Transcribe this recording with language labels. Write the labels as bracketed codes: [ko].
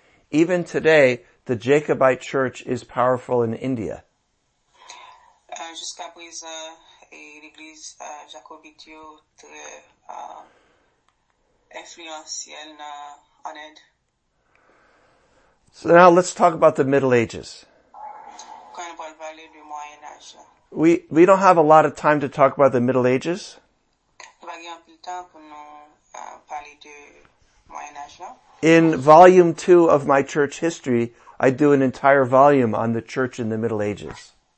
[en] Even today, the Jacobite Church is powerful in India. [fr] Jusqu'à présent, l'église Jacobite est très influentielle en Inde. [en] So now let's talk about the Middle Ages. [fr] Quand on va parler du Moyen Âge. [en] We don't have a lot of time to talk about the Middle Ages. [fr] On va avoir un peu de temps pour nous parler du Moyen Âge. [en] In volume 2 of my church history, I do an entire volume on the church in the Middle Ages.